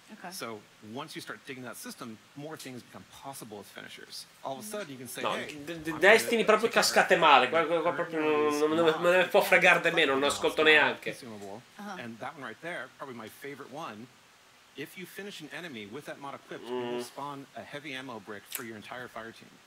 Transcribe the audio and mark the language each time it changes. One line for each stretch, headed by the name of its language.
English: So once you start digging that system, more things become possible with finishers. All of a sudden you can say,
Italian: no, Destiny proprio cascate male, qua proprio non me ne può fregare di meno, non ascolto neanche.
English: And that one right there, probably my favorite one. If you finish an enemy with that mod equipped, you will spawn a heavy ammo brick for your entire fire team.